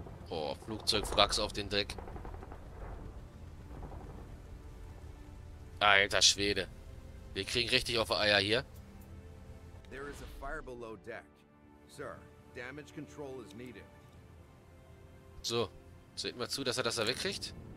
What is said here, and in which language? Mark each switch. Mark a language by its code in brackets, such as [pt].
[de] Oh, Flugzeugwracks auf den Dreck. Alter Schwede. Wir kriegen richtig auf Eier hier. [en] There is a fire below deck. Sir, damage control is needed. [de] So, sehen wir zu, dass er das da wegkriegt.